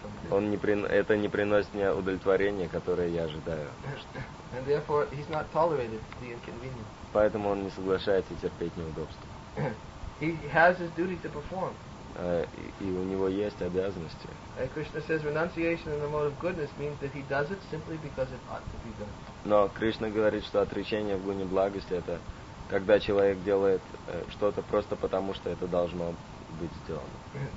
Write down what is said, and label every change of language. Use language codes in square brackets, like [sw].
[ru] Это не приносит мне удовлетворения, которое я ожидаю. [en] And therefore he's not tolerated the inconvenience. [ru] Поэтому он не соглашается терпеть неудобства. [en] He has his duty to perform. [ru] И у него есть обязанности. [en] And Krishna says renunciation in the mode of goodness means that he does it simply because it ought to be done. [ru] Но Кришна говорит, что отречение в гуне благости это когда человек делает что-то просто потому, что это должно быть сделано.